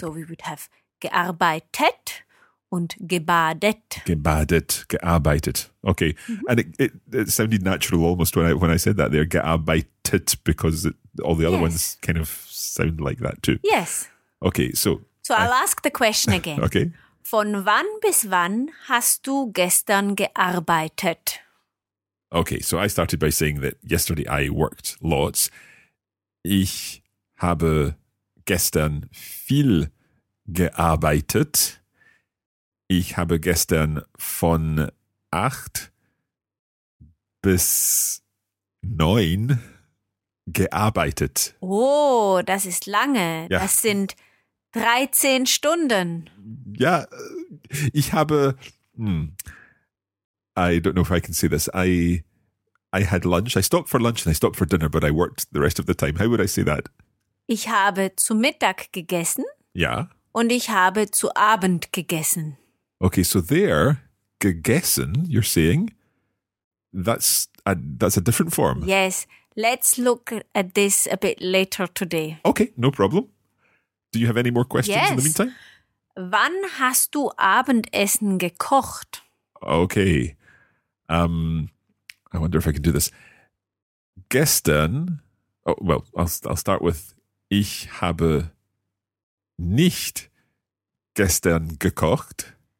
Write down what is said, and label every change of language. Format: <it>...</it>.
<en>So we would have</en> <de>gearbeitet und gebadet. Gebadet, gearbeitet. Okay. Mm-hmm.</de> <en>And it sounded natural almost when I said that there, gearbeitet, because all the other ones kind of sound like that too. Yes. Okay, so. So I'll ask the question again. Okay.</en> <de>Von wann bis wann hast du gestern gearbeitet?</de> <en>Okay, so I started by saying that yesterday I worked lots.</en> <de>Ich habe gestern viel gearbeitet. Ich habe gestern von 8 bis 9 gearbeitet. Oh, das ist lange. Ja. Das sind 13 Stunden. Ja, ich habe,</de> <en>I don't know if I can say this, I had lunch, I stopped for lunch and I stopped for dinner, but I worked the rest of the time. How would I say that?</en> <de>Ich habe zu Mittag gegessen. Ja. Und ich habe zu Abend gegessen.</de> <en>Okay, so there, gegessen, you're saying, that's a different form. Yes. Let's look at this a bit later today. Okay, no problem. Do you have any more questions in the meantime?</en> <de>Wann hast du Abendessen gekocht?</de> <en>Okay. I wonder if I can do this.</en> <de>Gestern,</de> <en>I'll start with,</en> <de>ich habe nicht gestern gekocht.</de>